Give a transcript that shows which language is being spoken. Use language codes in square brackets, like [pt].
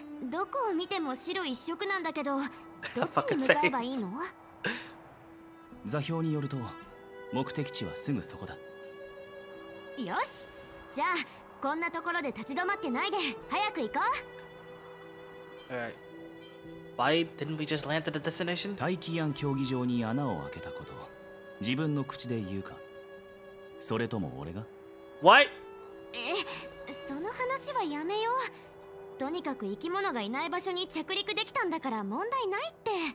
[ja] どこを見ても白一色なんだけど、どっちに向かえばいいの？座標によると目的地はすぐそこだ。よし、じゃあこんなところで立ち止まってないで、早く行こう。 [en] Why didn't we just land at the destination? [ja] 大気圏競技場に穴を開けたこと、自分の口で言うか、それとも俺が。 [en] Why? [ja] その話はやめよう。とにかく生き物がいない場所に着陸できたんだから問題ないって。